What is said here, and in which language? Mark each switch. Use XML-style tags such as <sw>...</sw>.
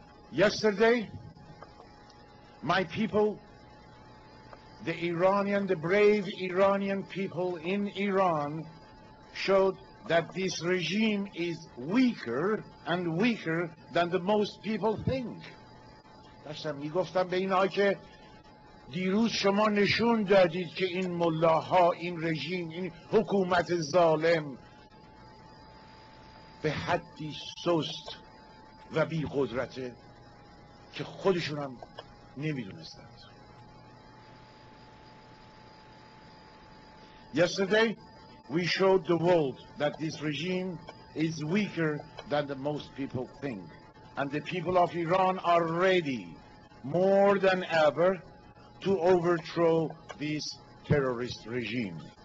<en>Yesterday, my people, the brave Iranian people in Iran, showed that this regime is weaker and weaker than the most people think.</en> <fa>داشتم میگفتم به اینا که دیروز شما نشون دادید که این ملاها، این رژیم، این حکومت ظالم به حدی سست و بی قدرته که خودشون هم نمیدونستند.</fa> <en>Yesterday we showed the world that this regime is weaker than the most people think, and the people of Iran are ready more than ever to overthrow this terrorist regime.</en>